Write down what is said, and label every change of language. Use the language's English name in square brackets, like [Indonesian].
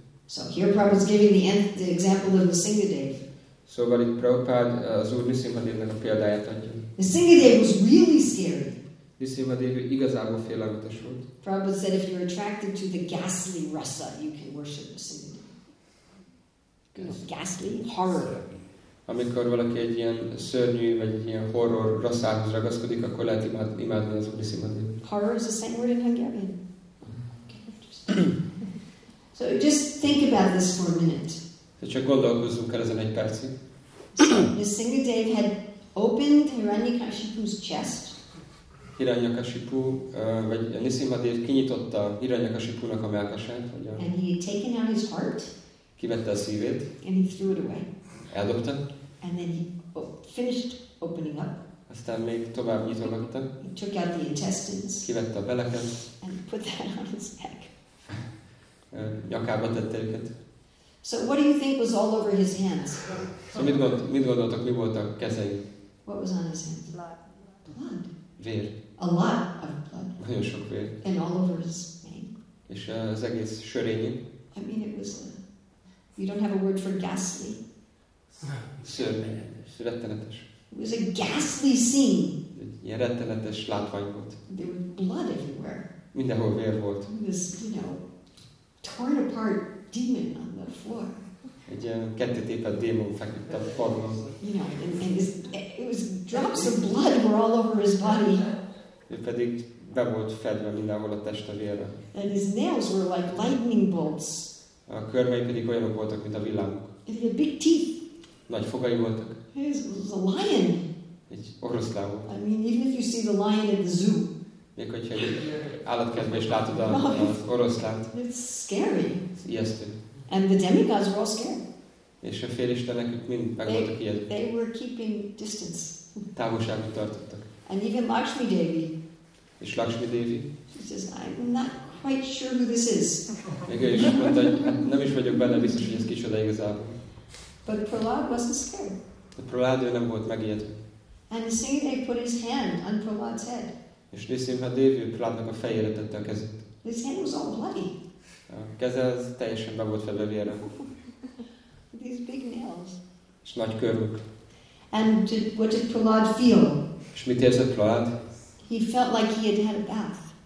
[English] So here Prabhupada's giving the example of the Singhadev. [Hungarian] Szóval itt Prabhupada az Úr Nisimhadevnek a példáját adja. [English] The Singhadev was really scary. [Hungarian] Nisimhadev igazából félelmetes volt. [English] Prabhupada said if you're attracted to the ghastly rasa, you can worship the Singhadev. Ghastly? Horror. [Hungarian] Amikor valaki egy ilyen szörnyű, vagy egy ilyen horror rasszához ragaszkodik, akkor lehet imádni az Úr Nisimhadevet. [English] Horror is the same word in Hungarian. So just think about this for a minute. [Hungarian] Csak gondolkozzunk el ezen egy percig. [English] Nisimhadev had opened Hiranyakashipu's chest. [Hungarian] Hiranyakashipu, vagy Nisimhadev kinyitotta Hiranyakashipunak a mellkasát. [English] And he had taken out his heart. [Hungarian] Kivette a szívét. [English] And he threw it away. [Hungarian] Eldobta. [English] And then he finished opening up. [Hungarian] Aztán még tovább nyitogatta. [English] He took out the intestines. [Hungarian] Kivette a beleket. [English] And put that on his neck. [Hungarian] Nyakába tette őket. [English] So what do you think was all over his hands? [Hungarian] So mit gondoltak, mi volt a kezei? [English] What was on his hands? Blood. Blood. [Hungarian] Vér. [English] A lot of blood. [Hungarian] Nagyon sok vér. [English] And all over his mane. [Hungarian] És az egész sörényén. [English] I mean, it was. You don't have a word for ghastly. [Hungarian] Szörnyű. Rettenetes. [English] It was a ghastly scene. [Hungarian] Ilyen rettenetes látvány volt. [English] There was blood everywhere. [Hungarian] Mindenhol vér volt. [English] This, you know, torn apart demon on the floor. [Hungarian] Egy kettétépett démon feküdt a padon. [English] You know, and his, it was drops of blood were all over his body. [Hungarian] Ő pedig be volt fedve mindenhol a teste vérre. [English] And his nails were like lightning bolts. [Hungarian] A körmei pedig olyanok voltak, mint a villámok. [English] And he had big teeth. [Hungarian] Nagy fogai voltak. [English] He's a lion. [Hungarian] Egy oroszlán volt. [English] I mean, even if you see the lion at the zoo. [Hungarian] Még hogyha egy állatkertben is látod az oroszlánt. [English] It's scary. [Hungarian] Ijesztő. [English] And the demigods were all scared. [Hungarian] És a félistenek mind meg voltak ilyet. [English] They were keeping distance. [Hungarian] Távolságot tartottak. [English] And even Lakshmi Devi. [Hungarian] És Lakshmi Devi. [English] She says, I'm not quite sure who this is. [Hungarian] Még ő is mondta, hogy nem is vagyok benne biztos, hogy ez kicsoda igazából. [English] But Prahlad wasn't scared. [Hungarian] De Prahlad nem volt megijedve. [English] And Nrisimha put his hand on Prahlad's head. [Hungarian] És Nrisimha Devi Prahladnak a fejére tette a kezét. [English] His hand was all bloody. [Hungarian] A keze az teljesen be volt fedve vérre. [English] These big nails. [Hungarian] És nagy körmök. [English] And what did Prahlad feel? [Hungarian] És mit érzett Prahlad? [English] He felt like he had had a bath.